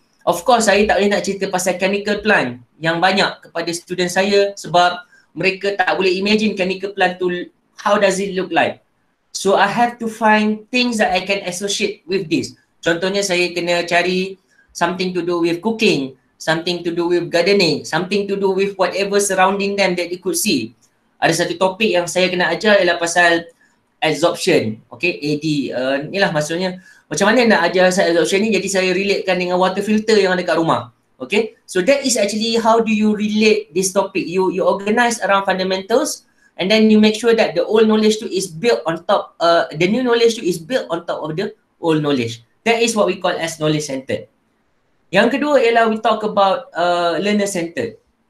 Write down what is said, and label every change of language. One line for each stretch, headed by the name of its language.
Malay: Of course, saya tak boleh nak cerita pasal chemical plant yang banyak kepada student saya sebab mereka tak boleh imagine chemical plant tu
English: how does it look like. So I have to find things that I can associate with this.
Malay: Contohnya saya kena cari
English: something to do with cooking, something to do with gardening, something to do with whatever surrounding them that they could see.
Malay: Ada satu topik yang saya kena ajar ialah pasal adsorption. Okay, AD. Inilah maksudnya. Macam mana nak ajar saya adsorption ni? Jadi saya relatekan dengan water filter yang ada kat rumah.
English: Okay, so that is actually how do you relate this topic. You organize around fundamentals and then you make sure that the old knowledge tu is built on top, the new knowledge tu is built on top of the old knowledge. That is what we call as knowledge-centered.
Malay: Yang kedua ialah
English: we talk about learner-centered.